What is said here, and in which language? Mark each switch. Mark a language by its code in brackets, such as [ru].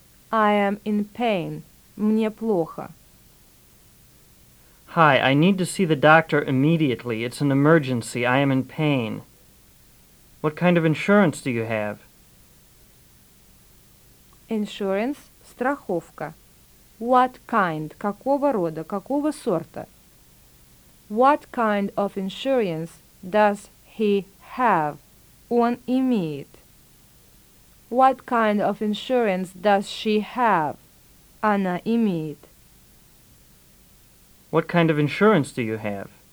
[en] I am in pain. [ru] Мне плохо. [en] Hi, I need to see the doctor immediately. It's an emergency. I am in pain. What kind of insurance do you have? Insurance – [ru] страховка. [en] What kind [ru] – какого рода, какого сорта? [en] What kind of insurance does he have? [ru] Он имеет. [en] What kind of insurance does she have? [ru] Она имеет. [en] What kind of insurance do you have?